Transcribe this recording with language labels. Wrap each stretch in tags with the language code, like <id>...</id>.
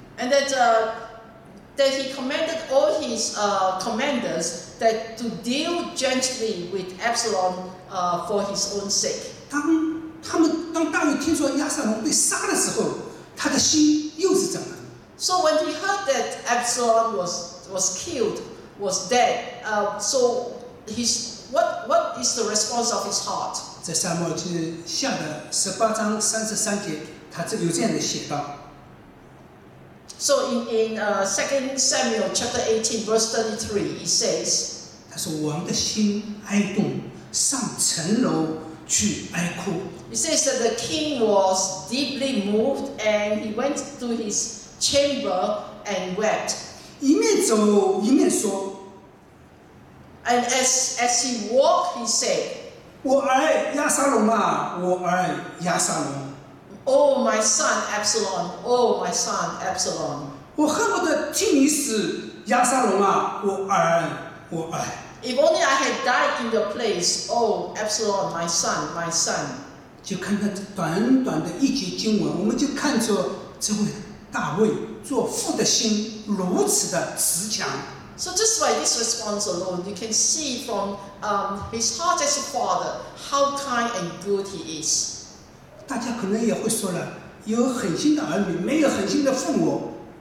<en>And that he commanded all his commanders that to deal gently with Absalom for his own sake.</en> <zh>当大卫听说亚撒龙被杀的时候，他的心又是怎么？</zh> <en>So when he heard that Absalom was killed, was dead, so his what is the response of his heart?</en> <zh>在撒母耳记下的十八章三十三节，他有这样的写道。</zh> <en>So in 2 Samuel chapter 18 verse 33, it says,</en> <zh>他说王的心哀动，上城楼去哀哭。</zh> <en>It says that the king was deeply moved and he went to his chamber and wept.</en> <zh>一面走一面说。</zh> <en>And as he walked, he said,</en> <zh>我儿亚撒龙啊，我儿亚撒龙。</zh> <en>Oh, my son Absalom. Oh, my son Absalom.</en> <zh>我恨不得替你死，亚撒龙啊，我儿，我儿。</zh> <en>If only I had died in your place. Oh, Absalom, my son, my son.</en> <zh>就看他短短的一节经文，我们就看出这位大卫做父的心如此的慈强。</zh> <en>So just by this response alone, you can see from his heart as a father how kind and good he is.</en> <zh>大家可能也会说了，有狠心的儿女，没有狠心的父母。</zh>